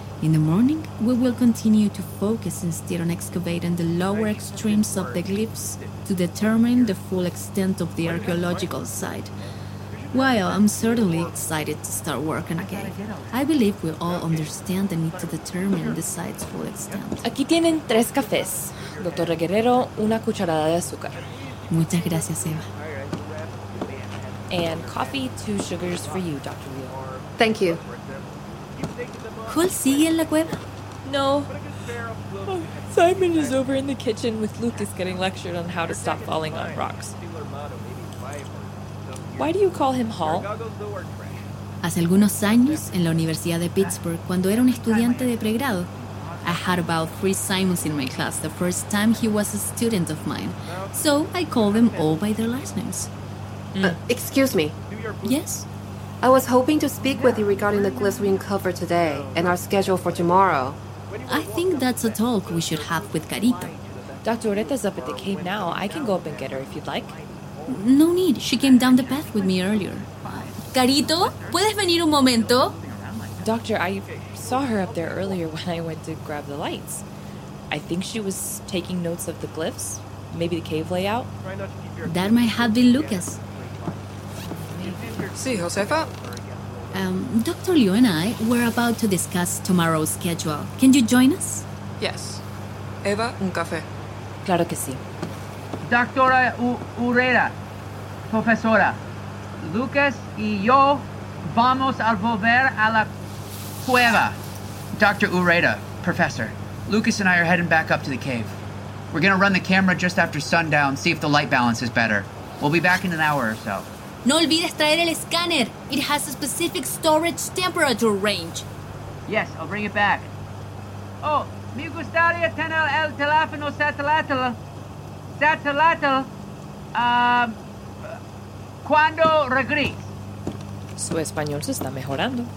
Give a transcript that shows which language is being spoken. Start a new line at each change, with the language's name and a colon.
English: In the morning, we will continue to focus instead on excavating the lower extremes of the glyphs to determine the full extent of the archaeological site. While I'm certainly excited to start work on a cave, I believe we all understand the need to determine the site's full extent.
Spanish: Aquí tienen tres cafés. Doctora Guerrero, una cucharada de azúcar. Muchas gracias, Eva.
English: And coffee, 2 sugars for you, Dr. Leo. Thank you.
Spanish: ¿Cuál sigue en la cueva? No.
English: Oh, Simon is over in the kitchen with Lucas getting lectured on how to stop falling on rocks. Why do you call him Hall?
Spanish: Hace algunos años, en la Universidad de Pittsburgh, cuando era un estudiante de pregrado,
English: I had about 3 Simons in my class the first time he was a student of mine. So I call them all by their last names. Excuse me. Yes? I was hoping to speak with you regarding the glyphs we uncovered today and our schedule for tomorrow. I think that's a talk we should have with Carito. Dr. Oreta's up at the cave now. I can go up and get her if you'd like. No need. She came down the path with me earlier.
Spanish: Carito, ¿puedes venir un momento?
English: Doctor, I saw her up there earlier when I went to grab the lights. I think she was taking notes of the glyphs, maybe the cave layout. That might have been Lucas.
Spanish: Sí, Josefa?
English: Dr. Liu and I were about to discuss tomorrow's schedule. Can you join us? Yes. Eva,
Spanish: un café. Claro que sí. Doctora Urrera, profesora, Lucas y yo vamos a volver a la cueva.
English: Dr. Urrera, professor, Lucas and I are heading back up to the cave. We're going to run the camera just after sundown, see if the light balance is better. We'll be back in an hour or so.
Spanish: No olvides traer el escáner.
English: It has a specific storage temperature range. Yes, I'll bring it back.
Spanish: Oh, me gustaría tener el teléfono satelital. Satelital. ¿Cuándo regrese? Su español se está mejorando.